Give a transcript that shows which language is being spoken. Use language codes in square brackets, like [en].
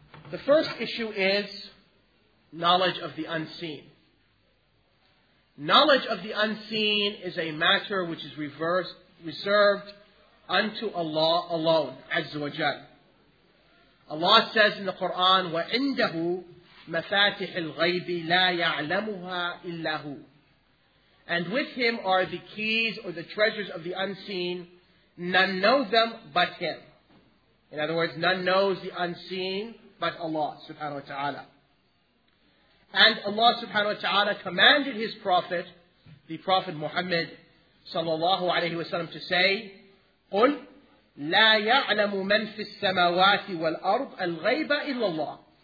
[en] The first issue is knowledge of the unseen. Knowledge of the unseen is a matter which is reserved unto Allah alone, Azza wa Jal. Allah says in the Quran, [ar] وَعِنْدَهُ مَفَاتِحِ الْغَيْبِ لَا يَعْلَمُهَا إِلَّا هُ. [en] And with him are the keys or the treasures of the unseen, none know them but him. In other words, none knows the unseen but Allah subhanahu wa ta'ala. And Allah subhanahu wa ta'ala commanded his prophet, the Prophet Muhammad sallallahu alayhi wa sallam, to say, [ar] قُلْ لَا يَعْلَمُ مَنْ فِي السَّمَوَاتِ وَالْأَرْضِ الْغَيْبَ إِلَّا اللَّهِ.